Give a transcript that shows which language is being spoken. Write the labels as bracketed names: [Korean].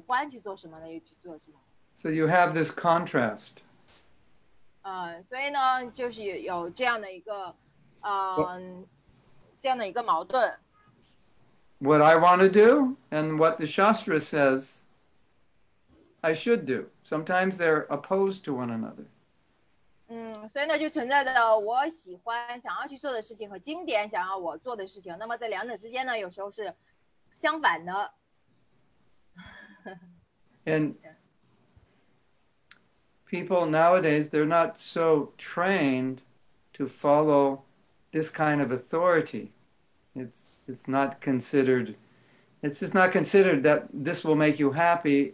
[Chinese] 就是在这个伟达这个传统当中呢,就是人们需要去做什么是由这个经典所给予的这些指导,但是呢,在现在社会呢,人们去做什么只是他想要做什么,他感觉喜欢去做什么,那就去做什么。 [English] So you have this contrast. [Chinese] 所以呢,就是有这样的一个矛盾。 [English] What I want to do and what the Shastra says I should do. Sometimes they're opposed to one another. [Chinese] 所以呢,就存在着我喜欢想要去做的事情和经典想要我做的事情,那么在两者之间呢,有时候是相反的。 [English] And people nowadays, they're not so trained to follow this kind of authority. It's just not considered that this will make you happy.